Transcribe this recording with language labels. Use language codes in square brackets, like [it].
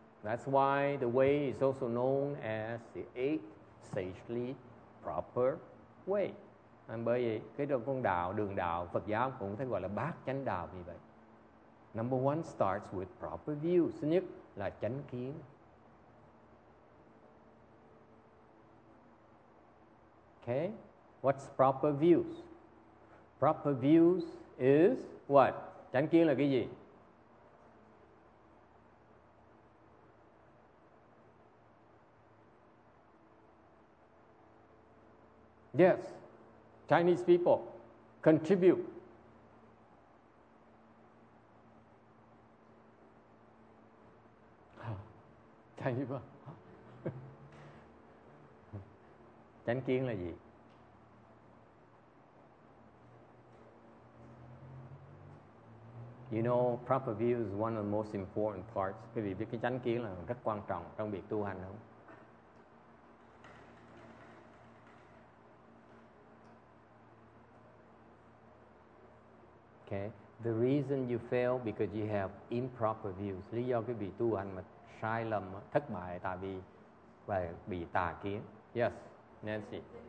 [en] That's why the way is also known as the 8 sagely proper way. [vi] And bởi vì cái con đạo, đường đạo Phật giáo cũng thấy gọi là bát chánh đạo như vậy. [en] Number 1 starts with proper view. [vi] Thứ nhất là chánh kiến. [en] Okay. What's proper views? Proper views is what? [vi] Chánh kiến là cái gì? [en] Yes, Chinese people contribute. Chinese people. [vi] Chánh kiến là gì? [en] You know, proper view is one of the most important parts. [vi] Quý vị biết cái chánh kiến là rất quan trọng trong việc tu hành không? [en] Okay. The reason you fail because you have improper views. [vi] Lý do cái bị tu hành mà sai lầm, thất bại tại vì và bị tà kiến. [en] Yes, Nancy.